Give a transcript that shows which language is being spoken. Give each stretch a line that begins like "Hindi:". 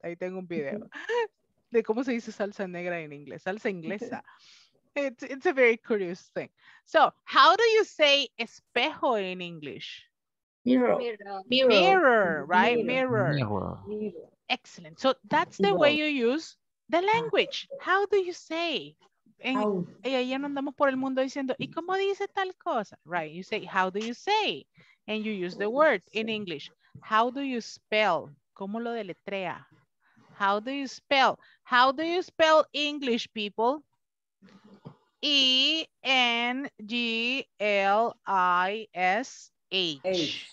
Spanish: Ahí tengo un video de cómo se dice salsa negra en inglés.
English: Salsa inglesa. It's a very curious thing. So, how do you say espejo in English? Mirror. Excellent. So, that's the way you use the language. How do you say?
Spanish: Y ahí andamos por el mundo diciendo, ¿y cómo dice tal cosa?
English: Right. You say, how do you say? And you use the word in English. How do you spell?
Spanish: ¿Cómo lo deletrea?
English: How do you spell? How do you spell English, people? E-N-G-L-I-S-H.